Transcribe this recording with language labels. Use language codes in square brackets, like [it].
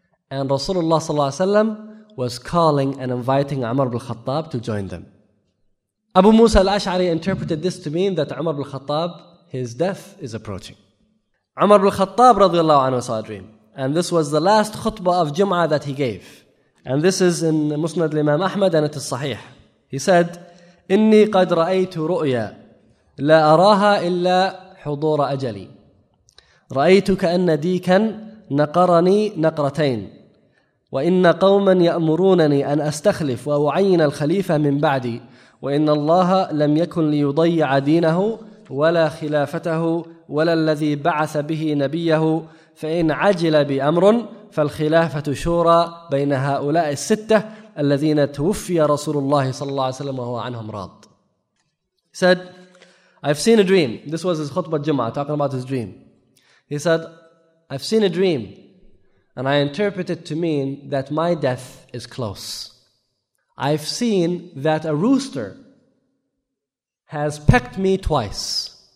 [en] And Rasulullah sallallahu alaihi wasallam was calling and inviting Umar bin Khattab to join them. Abu Musa al-Ash'ari interpreted this to mean that Umar bin Khattab, his death is approaching. Umar bin Khattab radiallahu anhu saw a dream. And this was the last khutbah of Jum'ah that he gave. And this is in Musnad al-Imam Ahmad and it is sahih. He said, [ar] إِنِّي قَدْ رَأَيْتُ رُؤْيَا لَا أَرَاهَا إِلَّا حُضُورَ أَجَلِي رَأَيْتُ كَأَنَّ دِيكًا نَقَرَنِي نَقْرَتَيْنِ وإن قوما يأمرونني أن أستخلف وأعين الخليفة من بعدي وإن الله لم يكن ليضيع دينه ولا خلافته ولا الذي بعث به نبيه فإن عجل بأمر فالخلافة شورى بين هؤلاء الستة الذين توفي رسول الله صلى الله عليه وسلم وهو عنهم راض. [en] He said, I've seen a dream. This was his khutbah Jum'ah, talking about his dream. He said, I've seen a dream. And I interpret it to mean that my death is close. I've seen that a rooster has pecked me twice.